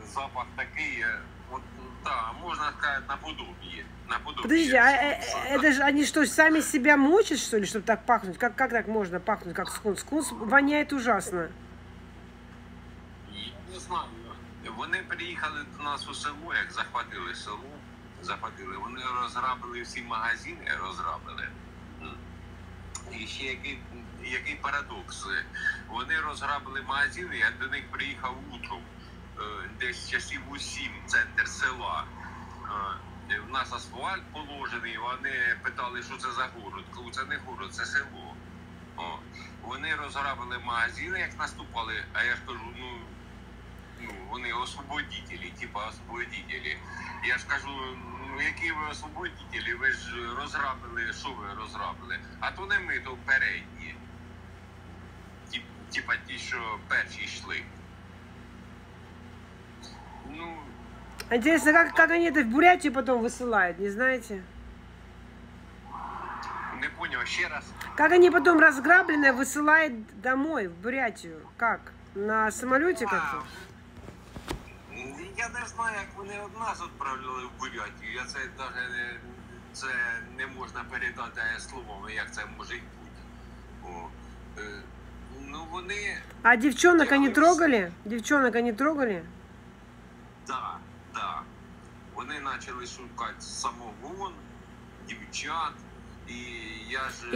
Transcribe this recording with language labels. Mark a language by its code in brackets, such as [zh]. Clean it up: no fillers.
[ru] Запах такой, вот, да, можно сказать, наподобие. Подожди, это же они что, сами себя мучат, что ли, чтобы так пахнуть? Как так можно пахнуть, как скунс? Скунс воняет ужасно. Я не знаю. Они приехали до нас в село, как захватили село. Захватили. [uk] Вони розграбили всі магазини, розграбили. І ще який парадокс. Вони розграбили магазини, я до них приїхав утром, десь часів у 7, центр села. У нас асфальт положений, вони питали, що це за город. Це не город, це село. вони розграбили магазини, як наступали, а я ж кажу, ну, вони освободітелі, типа освободітелі. Я ж кажу, ну які ви освободітелі, ви ж розграбили, що ви розграбили? А то не ми, то передні. Типа ті, що перші йшли. Ну. [ru] Интересно, как они это в Бурятию потом высылают, не знаете? Не понял, еще раз. Как они потом разграбленное высылают домой, в Бурятию? Как? На самолете как-то? Я не знаю, как они от нас отправляли в Бурятию. [uk] Я це даже не, це не можна передати словами, як це може бути. Ну, вони... [ru] А девчонок они трогали? Девчонок они трогали? Да. [uk] Да, вони почали шукати самогон, дівчат, і я ж...